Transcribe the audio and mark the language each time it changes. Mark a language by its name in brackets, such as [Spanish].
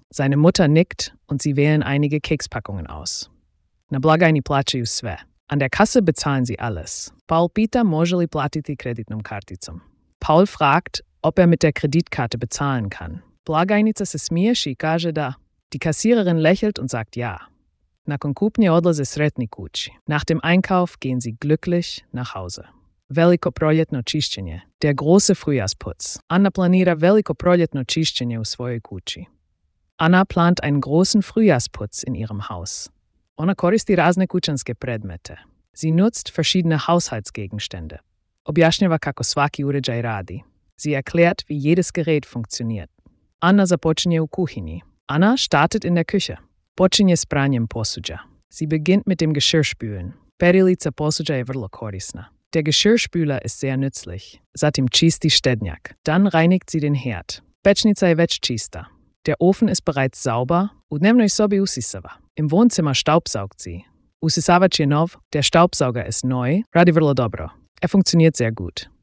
[German] Seine Mutter nickt und sie wählen einige Kekspackungen aus. [Croatian] Na blagajni plaćaju sve. [German] An der Kasse bezahlen sie alles. [Croatian] Paul pita može li platiti kreditnom karticom. [German] Paul fragt, ob er mit der Kreditkarte bezahlen kann. [Croatian] Blagajnica se smiješi i kaže da. [German] Die Kassiererin lächelt und sagt ja. [Croatian] Nakon kupnje odlaze sretni kući. [German] Nach dem Einkauf gehen sie glücklich nach Hause. [Croatian] Veliko proljetno čišćenje. [German] Der große Frühjahrsputz. [Croatian] Anna planira veliko proljetno čišćenje u svojoj kući. [German] Anna plant einen großen Frühjahrsputz in ihrem Haus. [Croatian] Ona koristi razne kućanske predmete. [German] Sie nutzt verschiedene Haushaltsgegenstände. [Croatian] Objašnjava kako svaki uređaj radi. [German] Sie erklärt, wie jedes Gerät funktioniert. [Croatian] Anna započinje u kuhini. [German] Anna startet in der Küche. [Croatian] Počinje s pranjem posuđa. [German] Sie beginnt mit dem Geschirrspülen. [Croatian] Perilica posuđa je vrlo korisna. [German] Der Geschirrspüler ist sehr nützlich. [Croatian] Satim čisti štednjak. [German] Dann reinigt sie den Herd. [Croatian] Pečnica je već čista. [German] Der Ofen ist bereits sauber. [Croatian] U dnevnoj sobi usisava. [German] Im Wohnzimmer staubsaugt sie. [Croatian] Usisavač je nov. [German] Der Staubsauger ist neu. [Croatian] Radi vrlo dobro. [German] Er funktioniert sehr gut.